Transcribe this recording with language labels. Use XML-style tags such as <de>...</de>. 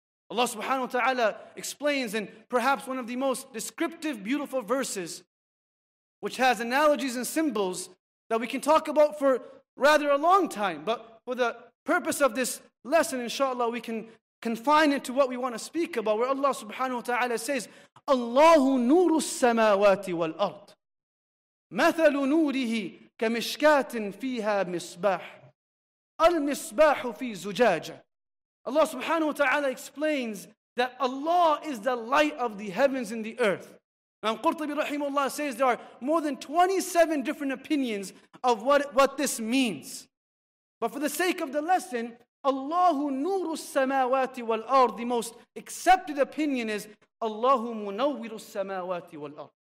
<en>Allah subhanahu wa ta'ala explains in perhaps one of the most descriptive, beautiful verses, which has analogies and symbols that we can talk about for rather a long time. But for the purpose of this lesson, inshallah, we can confine it to what we want to speak about, where Allah subhanahu wa ta'ala says,</en> <ar>Allahu nuru samawati wal ard. مثل نوره كمشكات فيها مصباح المصباح في زجاجة.</ar> <en>Allah subhanahu wa ta'ala explains that Allah is the light of the heavens and the earth. Now Qurtubi rahimahullah says there are more than 27 different opinions of what this means. But for the sake of the lesson,</en> <ar>Allahu nuru samawati wal ard,</ar> <en>the most accepted opinion is</en> <ar>Allahu munawwiru samawati wal ard.</ar>